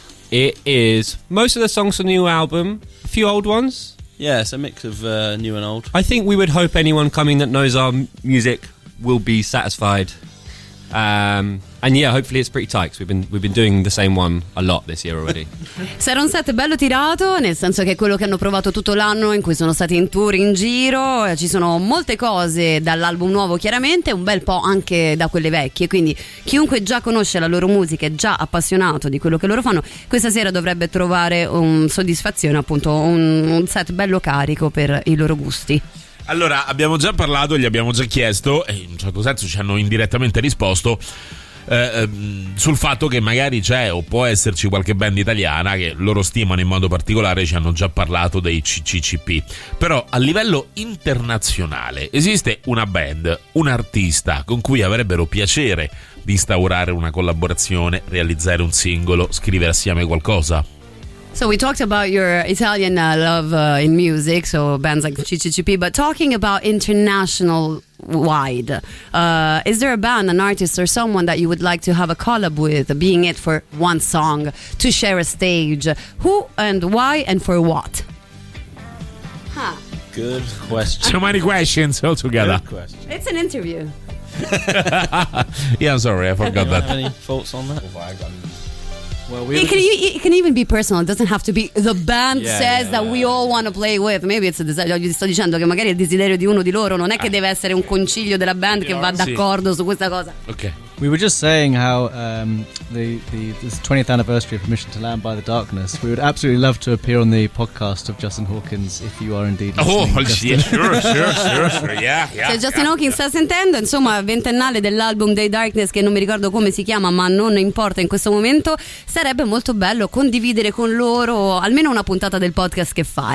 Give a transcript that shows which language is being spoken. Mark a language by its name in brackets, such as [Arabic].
[English] It is most of the songs from the new album, a few old ones. Yeah, it's a mix of new and old. I think we would hope anyone coming that knows our music will be satisfied. And yeah, hopefully it's pretty tight, 'cause we've been doing the same one a lot this year already. [Italian] Sarà un set bello tirato, nel senso che è quello che hanno provato tutto l'anno, in cui sono stati in tour, in giro. Ci sono molte cose dall'album nuovo, chiaramente, un bel po' anche da quelle vecchie. Quindi chiunque già conosce la loro musica, è già appassionato di quello che loro fanno, questa sera dovrebbe trovare un soddisfazione, appunto, un set bello carico per i loro gusti. Allora, abbiamo già parlato, gli abbiamo già chiesto, e in un certo senso ci hanno indirettamente risposto sul fatto che magari c'è o può esserci qualche band italiana che loro stimano in modo particolare. Ci hanno già parlato dei CCCP. Però a livello internazionale esiste una band, un artista con cui avrebbero piacere di instaurare una collaborazione, realizzare un singolo, scrivere assieme qualcosa? [English] So we talked about your Italian love in music, so bands like CCCP, but talking about international-wide, is there a band, an artist, or someone that you would like to have a collab with, being it for one song, to share a stage? Who and why and for what? Huh. Good question. So many questions all together. It's an interview. Yeah, I'm sorry, I forgot that. Any thoughts on that? Oh, I got it. Well, it can even be personal. It doesn't have to be the band we all want to play with. Maybe it's a desire. [Italian] Gli sto dicendo che magari il desiderio di uno di loro non è che deve essere un consiglio della band che va d'accordo su questa cosa. [English] Okay. We were just saying how this 20th anniversary of Permission to Land by the Darkness. We would absolutely love to appear on the podcast of Justin Hawkins if you are indeed listening. Oh, well, sure. Yeah. [Italian] Se Justin Hawkins sta sentendo, insomma, ventennale dell'album The Darkness, che non mi ricordo come si chiama, ma non importa in questo momento, sarebbe molto bello condividere con loro almeno una puntata del podcast che fa.